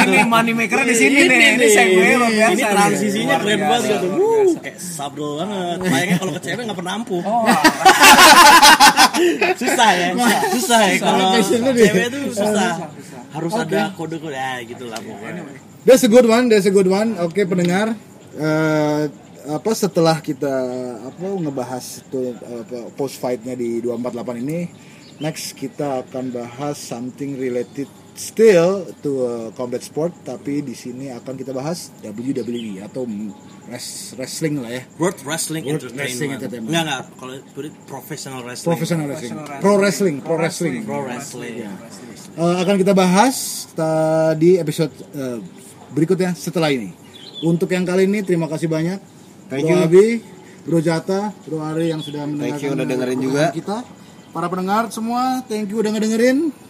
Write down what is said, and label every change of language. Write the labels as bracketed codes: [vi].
[id] Ini money maker di sini nih. Ini segway luar biasa. Ini transisinya keren banget tuh. Kayak sabdo banget. Bayangnya kalau ke cewek enggak pernah ampuh. Susah ya. Susah ya kalau cewek itu susah. Harus ada kode-kode ya gitulah pokoknya. [en] That's a good one, that's a good one. [id] Oke, pendengar. Apa setelah kita apa ngebahas itu post fight-nya di 248 ini, [en] next [id] kita akan bahas [en] something related still to combat sport, [id] tapi di sini akan kita bahas WWE atau wrestling lah ya. [en] World Wrestling World Entertainment. [id] Enggak, kalau itu [en] professional wrestling. Professional wrestling. Pro wrestling, pro wrestling. Pro wrestling. [id] Akan kita bahas di episode berikutnya setelah ini. Untuk yang kali ini terima kasih banyak. [en] Thank you. [id] Bro Abi, Bro Jata, Bro Ari yang sudah mendengarkan. [en] Thank you [id] udah dengerin juga. Kita para pendengar semua, [en] thank you [id] udah ngedengerin.